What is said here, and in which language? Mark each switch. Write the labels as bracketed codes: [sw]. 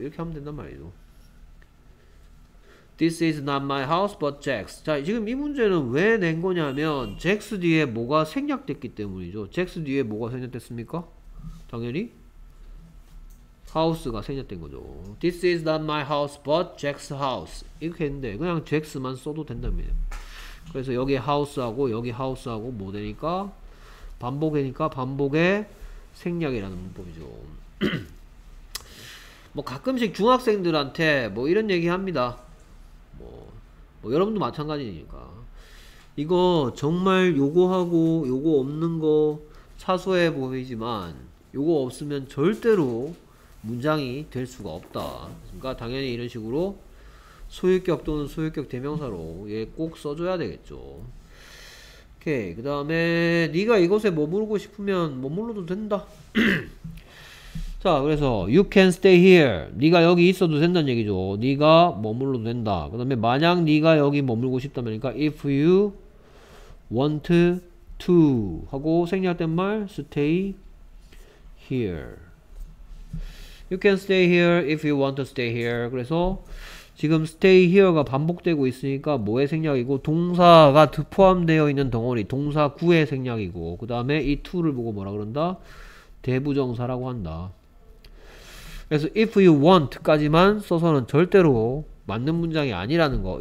[ko] 이렇게 하면 된단 말이죠. [en] This is not my house but Jack's. [ko] 자, 지금 이 문제는 왜낸 거냐면 잭스 뒤에 뭐가 생략됐기 때문이죠. 잭스 뒤에 뭐가 생략됐습니까? 당연히 하우스가 생략된 거죠. [en] This is not my house but Jack's house. [ko] 이렇게 했는데 그냥 잭스만 써도 된답니다. 그래서 여기 하우스하고 여기 하우스하고 뭐 되니까 반복이니까 반복의 생략이라는 문법이죠. 뭐 가끔씩 중학생들한테 뭐 이런 얘기 합니다. 뭐 여러분도 마찬가지니까 이거 정말 요거하고 요거 없는 거 사소해 보이지만 요거 없으면 절대로 문장이 될 수가 없다. 그러니까 당연히 이런 식으로 소유격 또는 소유격 대명사로 얘꼭 써줘야 되겠죠. 오케이. 그 다음에 네가 이곳에 머무르고 싶으면 머물러도 된다. 자, 그래서 [en] you can stay here. [ko] 네가 여기 있어도 된다는 얘기죠. 네가 머물러도 된다. 그 다음에 만약 네가 여기 머물고 싶다면 그러니까 [en] if you want to [ko] 하고 생략된 말 [en] stay here. You can stay here if you want to stay here. [ko] 그래서 지금 [en] stay here [ko] 가 반복되고 있으니까 뭐의 생략이고 동사가 포함되어 있는 덩어리 동사구의 생략이고 그 다음에 이 to를 보고 뭐라 그런다? 대부정사라고 한다. 그래서 [en] if you want [ko] 까지만 써서는 절대로 맞는 문장이 아니라는 거.